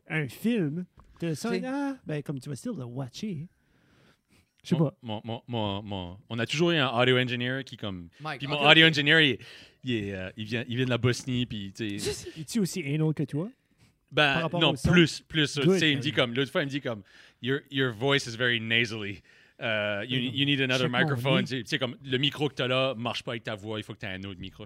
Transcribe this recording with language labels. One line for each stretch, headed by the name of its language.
French: Un film, tu le son, ben, comme tu vas still le watcher. Je sais pas. On a toujours eu un audio engineer qui, comme. Mike, puis mon audio engineer, il vient de la Bosnie, puis tu sais. Es-tu aussi anal que toi? Ben, non, plus. Tu sais, il me dit comme. L'autre fois, il me dit comme.
English: Your voice is very nasally. You need another microphone.
French: Tu sais, comme le micro que t'as là marche pas avec ta voix, il faut que t'aies un autre micro.